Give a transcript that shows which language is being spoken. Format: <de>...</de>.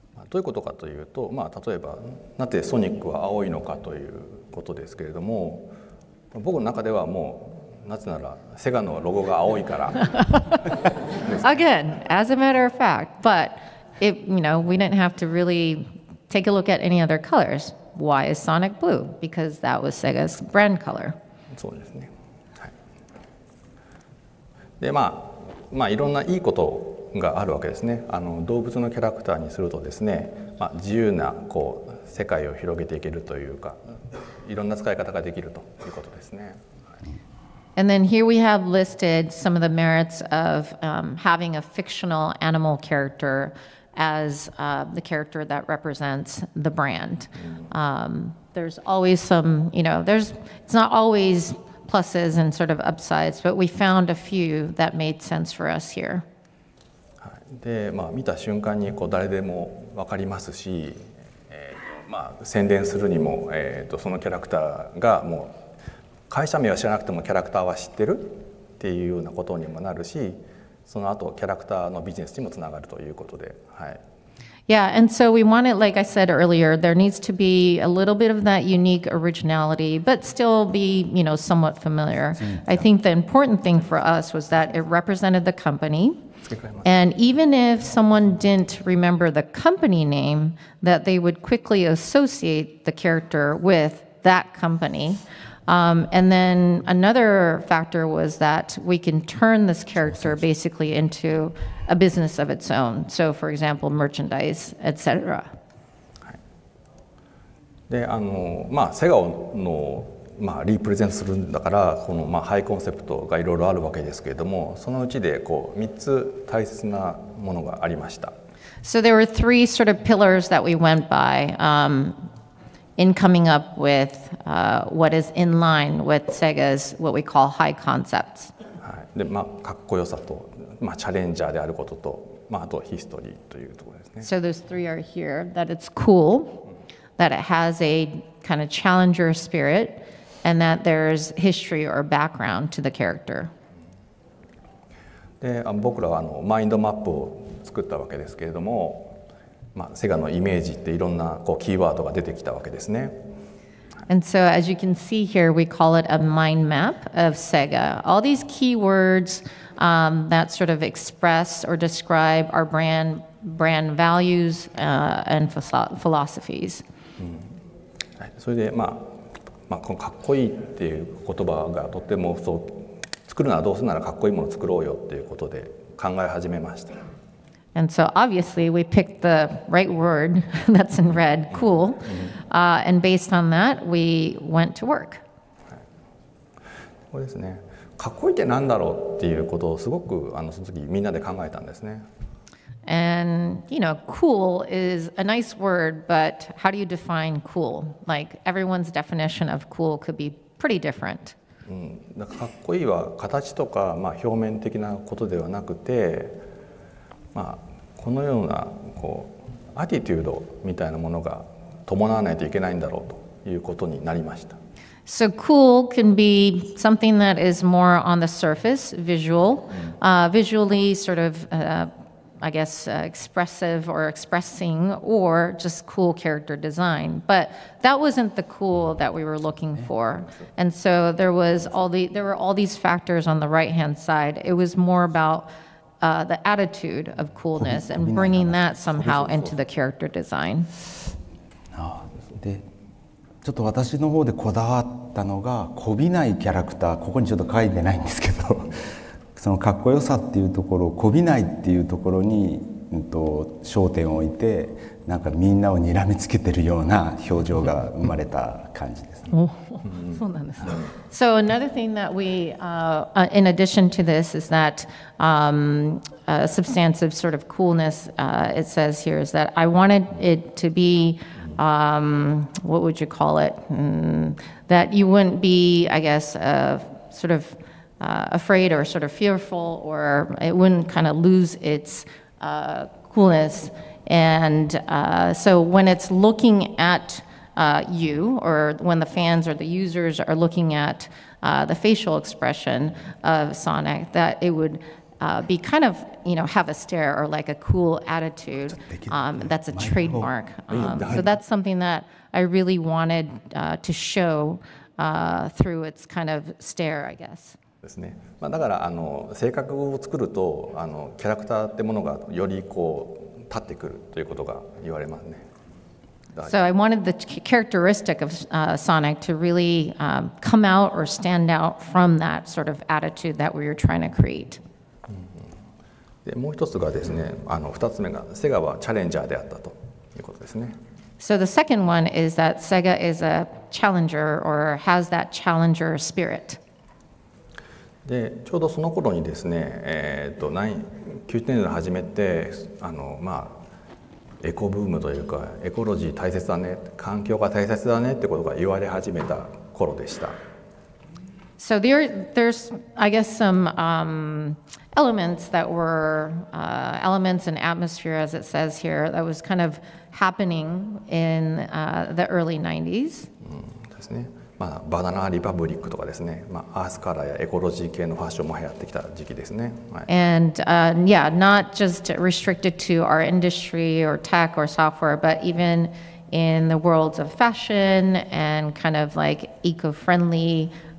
<ja>どういうことかというと、まあ、例えば、なぜソニックは青いのかということですけれども、僕の中ではもう、なぜならセガのロゴが青いから。</ja> <en>Again, as a matter of fact, but, it, you know, we didn't have to really... Take a look at any other colors. Why is Sonic blue? Because that was Sega's brand color.</en> <ja>そうですね。はい。で、まあ、まあ、いろんないいことがあるわけですね。動物のキャラクターにするとですね、まあ、自由なこう世界を広げていけるというか、いろんな使い方ができるということですね。</ja> <en>And then here we have listed some of the merits of having a fictional animal character. As the character that represents the brand, there's always some, you know, there's it's not always pluses and sort of upsides, but we found a few that made sense for us here.</en> <ja>で、まあ見た瞬間にこう誰でも分かりますし、まあ宣伝するにも、そのキャラクターがもう会社名は知らなくてもキャラクターは知ってるっていうようなことにもなるし。その後キャラクターのビジネスにもつながるということで、はい。</ja> <en>Yeah, and so we wanted, like I said earlier, there needs to be a little bit of that unique originality, but still be, you know, somewhat familiar. I think the important thing for us was that it represented the company, And even if someone didn't remember the company name, that they would quickly associate the character with that company. And then another factor was that we can turn this character basically into a business of its own. So, for example, merchandise, etc.</en> <ja>で、あの、まあ、セガの、まあ、リプレゼントするんだから、この、まあ、ハイコンセプトがいろいろあるわけですけれども、そのうちでこう3つ大切なものがありました。</ja> <en>So there were three sort of pillars that we went by, in coming up with, what is in line with Sega's what we call high concepts.</en> <ja>はい。で、まあ、かっこよさと、まあ、チャレンジャーであることと、まあ、あとヒストリーというところですね。</ja> <en>So those three are here, that it's cool. That it has a kind of challenger spirit, and that there's history or background to the character.</en> <ja>で、僕らはあのマインドマップを作ったわけですけれども、まあセガのイメージっていろんなこうキーワードが出てきたわけですね。</ja> <en>And so, as you can see here, we call it a mind map of Sega. All these keywords, that sort of express or describe our brand values, and philosophies.</en> <ja>それで、まあ、まあ、このかっこいいっていう言葉がとてもそう作るならどうせならかっこいいものを作ろうよっていうことで考え始めました。</ja> <en>And so obviously we picked the right word that's in red, cool. And based on that, we went to work.</en> <ja>これですね。かっこいいってなんだろうっていうことをすごくあのその時みんなで考えたんですね。</ja> <en>And you know, cool is a nice word, but how do you define cool? Like everyone's definition of cool could be pretty different.</en> <ja>うん、かっこいいは形とか、まあ、表面的なことではなくて、まあ、このようなこうアティテュードみたいなものが伴わないといけないんだろうということになりました。</ja> <en>So cool can be something that is more on the surface, visual, visually sort of. I guess expressive or expressing or just cool character design, but that wasn't the cool that we were looking for. And so there were all these factors on the right hand side. It was more about the attitude of coolness and bringing that somehow into the character design.</en> <ja>ああ、で、ちょっと私の方でこだわったのが媚びないキャラクター。ここにちょっと書いてないんですけど。そのかっこよさっていうところを媚びないっていうところに、焦点を置いてなんかみんなをにらみつけてるような表情が生まれた感じですね。そうなんですね。</ja> <en>So another thing that we, in addition to this, is that a substantive sort of coolness, it says here, is that I wanted it to be, what would you call it? That you wouldn't be, I guess, sort ofafraid or sort of fearful, or it wouldn't kind of lose its coolness. And so when it's looking at you, or when the fans or the users are looking at the facial expression of Sonic, that it would be kind of, you know, have a stare or like a cool attitude. That's a trademark. So that's something that I really wanted to show through its kind of stare, I guess.</en> <ja>ですね。まあ、だからあの性格を作るとあのキャラクターってものがよりこう立ってくるということが言われますね。</ja> <en>So I wanted the characteristic of Sonic to really come out or stand out from that sort of attitude that we were trying to create.</en> <ja>でもう一つがですね、あの二つ目がセガはチャレンジャーであったということですね。</ja> <en>So the second one is that Sega is a challenger or has that challenger spirit.</en> <ja>でちょうどその頃にですね、9年代始めてあの、まあ、エコブームというかエコロジー大切だね、環境が大切だねってことが言われ始めた頃でした。</ja> <en>So there's I guess some elements that were elements and atmosphere as it says here that was kind of happening in the early 90s.、</en> <ja>うん、ですね。まあ、バナナリパブリックとかですね、まあ、アースカラーやエコロジー系のファッションも流行ってきた時期ですね、は</ja> <en>い、And yeah, not just restricted to our industry or tech or software, but even in the worlds of fashion and kind of like eco-friendly</en>